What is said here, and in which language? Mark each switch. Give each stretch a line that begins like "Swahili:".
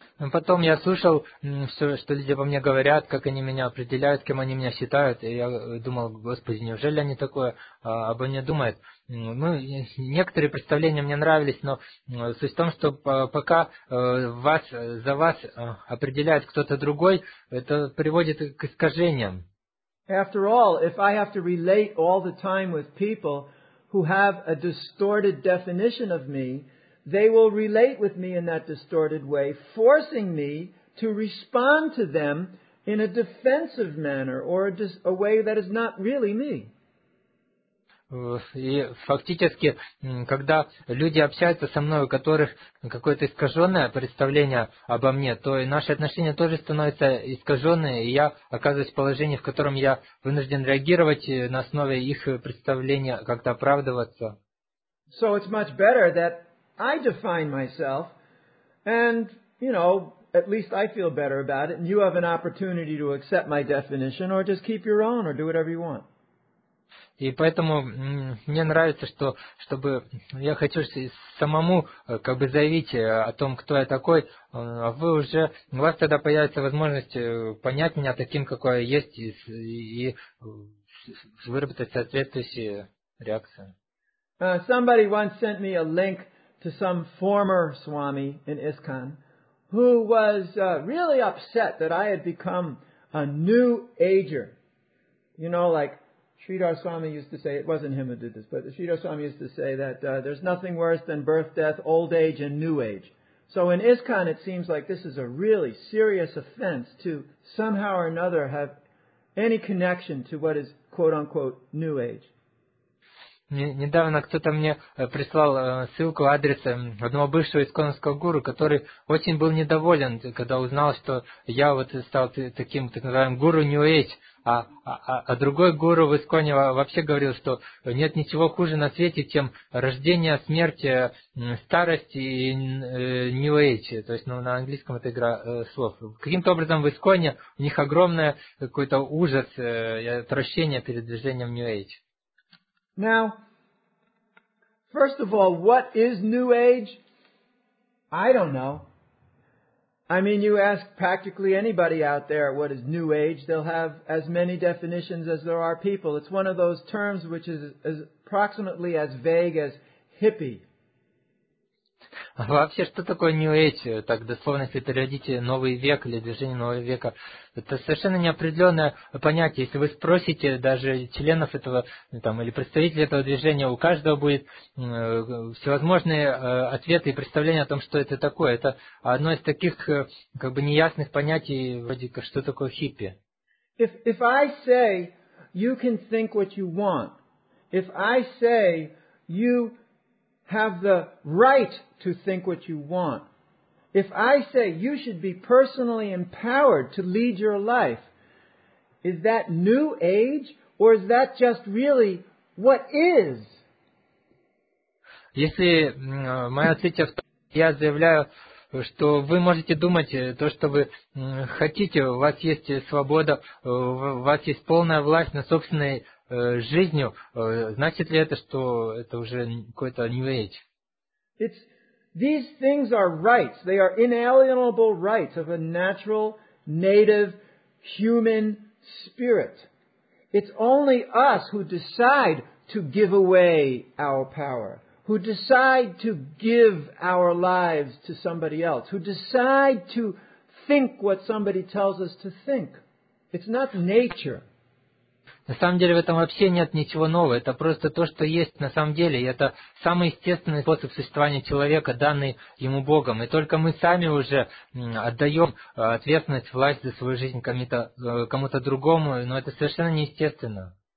Russian: Потом я слушал, что люди обо мне говорят, как они меня определяют, кем они меня считают. И я думал, Господи, неужели они такое обо мне думают? Ну, некоторые представления мне нравились, но суть в том, что пока вас, за вас определяет кто-то другой, это приводит к искажениям.
English: After all, if I have to relate all the time with people who have a distorted definition of me, they will relate with me in that distorted way, forcing me to respond to them in a defensive manner or a way that is not really me.
Russian: И фактически, когда люди общаются со мной, у которых какое-то искаженное представление обо мне, то и наши отношения тоже становятся искаженные, и я оказываюсь в положении, в котором я вынужден реагировать на основе их представления, как-то оправдываться.
English: So it's much better that I define myself, and, you know, at least I feel better about it, and you have an opportunity to accept my definition, or just keep your own, or do whatever you want.
Russian: И поэтому мне нравится, что, чтобы я хочу самому, как бы, заявить о том, кто я такой, а вы уже, у вас тогда появится возможность понять меня таким, какой я есть, и выработать соответствующие реакции.
English: Somebody once sent me a link to some former Swami in ISKCON, who was really upset that I had become a new ager. You know, like Sridhar Swami used to say, it wasn't him who did this, but Sridhar Swami used to say that there's nothing worse than birth, death, old age, and new age. So in ISKCON, it seems like this is a really serious offense to somehow or another have any connection to what is quote-unquote New Age.
Russian: Недавно кто-то мне прислал ссылку, адрес одного бывшего исконского гуру, который очень был недоволен, когда узнал, что я вот стал таким, так называемым, гуру New Age, а другой гуру в Исконе вообще говорил, что нет ничего хуже на свете, чем рождение, смерть, старость и New Age. То есть, ну, на английском это игра слов. Каким-то образом в Исконе у них огромный какой-то ужас, отвращение перед движением New Age.
English: Now, first of all, what is New Age? I don't know. I mean, you ask practically anybody out there what is New Age, they'll have as many definitions as there are people. It's one of those terms which is approximately as vague as hippie.
Russian: Вообще, что такое New Age? Так, дословно, если переводите новый век или движение нового века, это совершенно неопределенное понятие. Если вы спросите даже членов этого там, или представителей этого движения, у каждого будет всевозможные ответы и представления о том, что это такое. Это одно из таких как бы неясных понятий, вроде как, что такое хиппи.
English: If I say, you can think what you want, if I say, you have the right to think what you want. If I say you should be personally empowered to lead your life, is that New Age or is that just really what is?
Russian: Если моя цель в том, я заявляю, что вы можете думать то, что вы хотите, у вас есть свобода, у вас есть полная власть на собственной жизнью, значит ли это, что это уже какой-то New Age?
English: It's, these things are rights. They are inalienable rights of a natural, native, human spirit. It's only us who decide to give away our power, who decide to give our lives to somebody else, who decide to think what somebody tells us to think. It's not nature.
Russian: На самом деле в этом вообще нет ничего нового, это просто то, что есть на самом деле, и это самый естественный способ существования человека, данный ему Богом. И только мы сами уже отдаем ответственность, власть за свою жизнь кому-то другому, но это совершенно неестественно.